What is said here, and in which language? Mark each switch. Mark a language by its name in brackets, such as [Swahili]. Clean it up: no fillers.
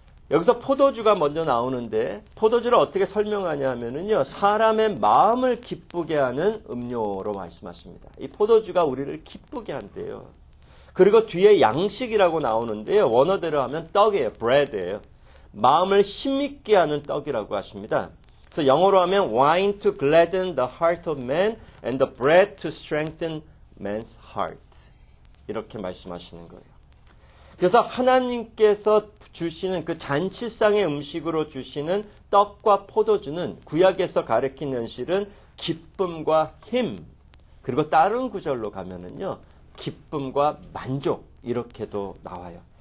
[Korean] 여기서 포도주가 먼저 나오는데 포도주를 어떻게 설명하냐면요, 사람의 마음을 기쁘게 하는 음료로 말씀하십니다. 이 포도주가 우리를 기쁘게 한대요. 그리고 뒤에 양식이라고 나오는데요, 원어대로 하면 떡이에요. bread예요. 마음을 힘있게 하는 떡이라고 하십니다. 그래서 영어로 하면 [English] wine to gladden the heart of man and the bread to strengthen man's heart. [Korean] 이렇게 말씀하시는 거예요. 그래서 하나님께서 주시는 그 잔치상의 음식으로 주시는 떡과 포도주는 구약에서 가르친 현실은 기쁨과 힘, 그리고 다른 구절로 가면은요, 기쁨과 만족, 이렇게도 나와요.